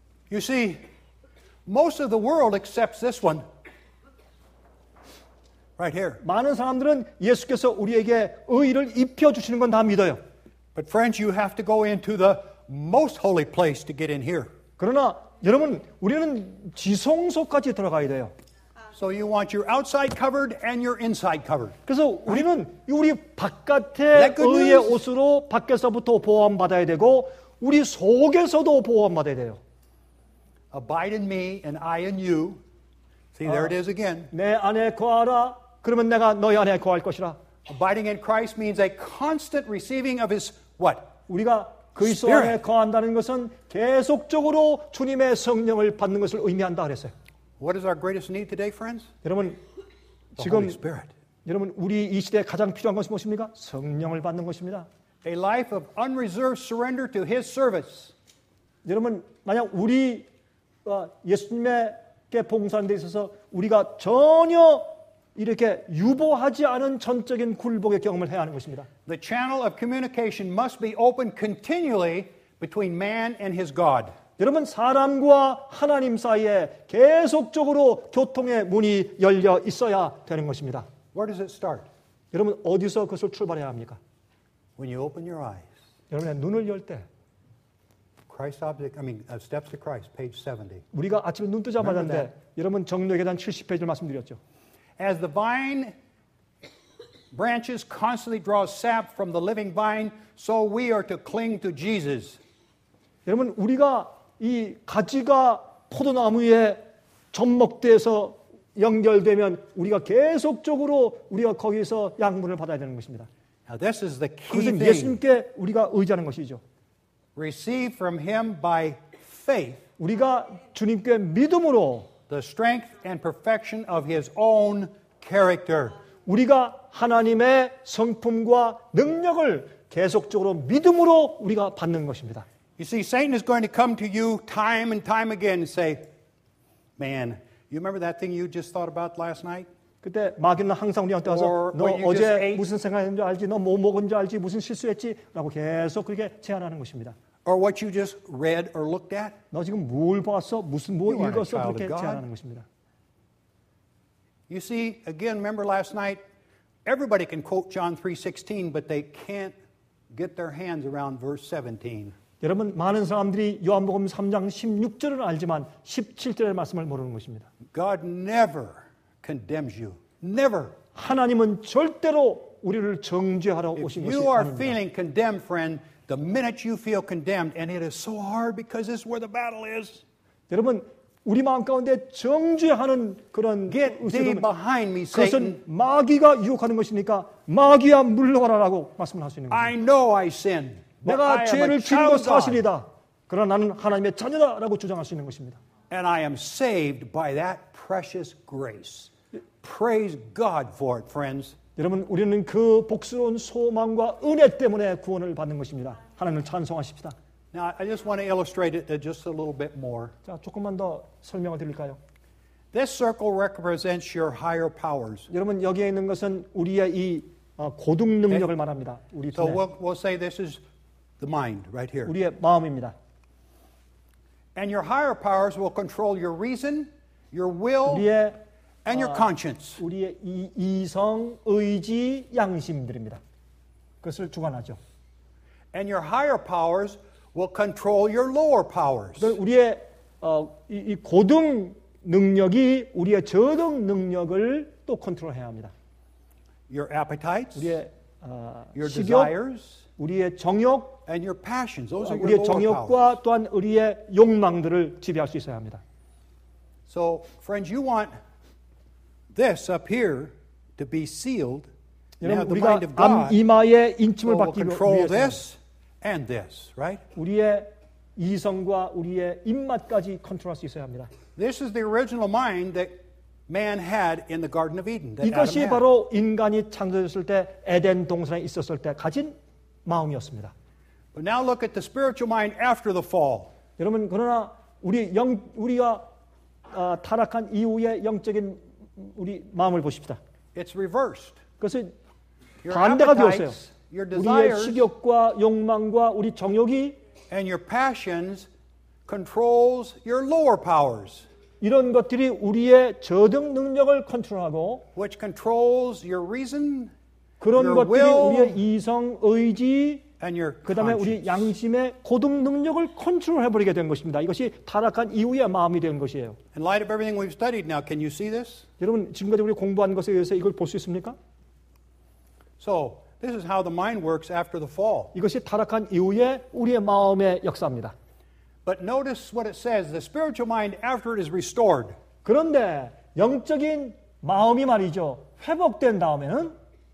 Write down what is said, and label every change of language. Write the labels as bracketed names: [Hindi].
[English] You see, most of the world accepts this one right here. [Korean] 많은 사람들은 예수께서 우리에게 의를 입혀 주시는 건 다 믿어요. [English] But friends, you have to go into the most holy place to get in here. [Korean] 그러나 여러분, 우리는 지성소까지 들어가야 돼요. [English] So you want your outside covered and your inside covered. [Korean] 그래서 우리는 우리 바깥에 의의 옷으로 밖에서부터 보호받아야 되고 우리 속에서도 보호받아야 돼요. [English] Abide in me and I in you. See, there it is again. [Korean] 내 안에 거하라. 그러면 내가 너희 안에 거할 것이라. [English] Abiding in Christ means a constant receiving of his what? [Korean] 우리가 그리스도 안에 거한다는 것은 계속적으로 주님의 성령을 받는 것을 의미한다 그랬어요. [English] What is our greatest need today, friends? [Korean] 여러분, [English] the Holy Spirit. [Korean] 여러분, 우리 이 시대에 가장 필요한 것이 무엇입니까? 성령을 받는 것입니다. [English] A life of unreserved surrender to His service. [Korean] 여러분, 만약 우리 예수님께 봉사하는 데 있어서 우리가 전혀 이렇게 유보하지 않은 전적인 굴복의 경험을 해야 하는 것입니다. [English] The channel of communication must be open continually between man and His God. [Korean] 여러분 사람과 하나님 사이에 계속적으로 교통의 문이 열려 있어야 되는 것입니다. [English] Where does it start? [Korean] 여러분 어디서 그것을 출발해야 합니까? [English] When you open your eyes. [Korean] 여러분의 눈을 열 때. [English] Christ object, I mean, steps to Christ, page 70. [Korean] 우리가 아침에 눈 뜨자마자 여러분 정로의 계단 70페이지를 말씀드렸죠. [English] As the vine branches constantly draw sap from the living vine, so we are to cling to Jesus. [Korean] 여러분 우리가 이 가지가 포도나무에 접목돼서 연결되면 우리가 계속적으로 우리가 거기서 양분을 받아야 되는 것입니다. [English] Now this is the key [Korean] 그것은 예수님께 우리가 의지하는 것이죠. [English] Receive from him by faith. [Korean] 우리가 주님께 믿음으로 [English] the strength and perfection of his own character. [Korean] 우리가 하나님의 성품과 능력을 계속적으로 믿음으로 우리가 받는 것입니다. [English] You see, Satan is going to come to you time and time again and say, "Man, you remember that thing you just thought about last night?" [Korean] 그때 마귀는 항상 우리한테 와서 너 어제 무슨 생각했는지 알지? 너 뭐 먹은지 알지? 무슨 실수했지? 라고 계속 그렇게 제안하는 것입니다. [English] Or what you just read or looked at? [Korean] 너 지금 뭘 봤어? 무슨 뭐 읽었어? 그렇게 제안하는 것입니다. [English] You see, again, remember last night, everybody can quote John 3:16, but they can't get their hands around verse 17. [Korean] 여러분, 많은 사람들이 요한복음 3장 16절을 알지만 17절의 말씀을 모르는 것입니다. [English] God never condemns you. Never. [Korean] 하나님은 절대로 우리를 정죄하러 오신 것이 아닙니다. [English] If you are feeling condemned, friend, the minute you feel condemned, and it is so hard because this is where the battle is. [Korean] 여러분, 우리 마음 가운데 정죄하는 그런 [English] Get thee behind me, Satan. [Korean] 그것은 마귀가 유혹하는 것이니까 마귀야 물러가라라고 말씀을 할 수 있는 겁니다. [English] I know I sinned. [Korean] 내가 죄를 지은 것 사실이다. 그러나 나는 하나님의 자녀다라고 주장할 수 있는 것입니다. [English] And I am saved by that precious grace. Praise God for it, friends. [Korean] 여러분, 우리는 그 복스러운 소망과 은혜 때문에 구원을 받는 것입니다. 하나님을 찬송하십시다. [English] Now, I just want to illustrate it just a little bit more. [Korean] 자, 조금만 더 설명을 드릴까요? [English] This circle represents your higher powers. [Korean] 여러분, 여기에 있는 것은 우리의 이 고등 능력을 말합니다. 우리 [English] So we'll say this is the mind right here. [Korean] 우리의 마음입니다. [English] And your higher powers will control your reason, your will, [Korean] 우리의, [English] and your conscience. [Korean] 우리의 이성, 의지, 양심들입니다. 그것을 주관하죠. [English] And your higher powers will control your lower powers. [Korean] 우리의 이 고등 능력이 우리의 저등 능력을 또 컨트롤해야 합니다. [English] Your appetites, [Korean] 우리의, [English] your [Korean] 식욕, [English] desires, [Korean] 우리의 정욕, [English] and your passions. Those are your [Korean] 우리의 정욕과 [English] powers. [Korean] 또한 우리의 욕망들을 지배할 수 있어야 합니다. [English] So, friends, you want this up here to be sealed. [Korean] 여러분, 우리가 암 이마에 인침을 받기 위해서 [English] And this, right? [Korean] 우리의 이성과 우리의 입맛까지 컨트롤할 수 있어야 합니다. [English] This is the original mind that man had in the Garden of Eden. [Korean] 이것이 바로 인간이 창조됐을 때 에덴 동산에 있었을 때 가진 마음이었습니다. [English] But now look at the spiritual mind after the fall. [Korean] 여러분 그러나 우리가 타락한 이후의 영적인 우리 마음을 보십시다. [English] It's reversed. [Korean] 그것이 반대가 되었어요. [English] Your desires, [Korean] 우리의 식욕과 욕망과 우리 정욕이 [English] and your passions controls your lower powers. [Korean] 이런 것들이 우리의 저등 능력을 컨트롤하고 [English] which controls your reason, [Korean] 그런 [English] your [Korean] 것들이 [English] will, [Korean] 우리의 이성, 의지 [English] and your [Korean] 그다음에 우리 양심의 고등 능력을 컨트롤해버리게 된 것입니다. 이것이 타락한 이후의 마음이 된 것이에요. [English] In light of everything we've studied now, can you see this? [Korean] 여러분, 지금까지 우리 공부한 것에 의해서 이걸 볼 수 있습니까? [English] So, This is how the mind works after the fall. [Korean] 이것이 타락한 이후에 우리의 마음의 역사입니다. [English] But notice what it says: the spiritual mind after it is restored. [Korean] 그런데 영적인 마음이 말이죠 회복된 다음에는.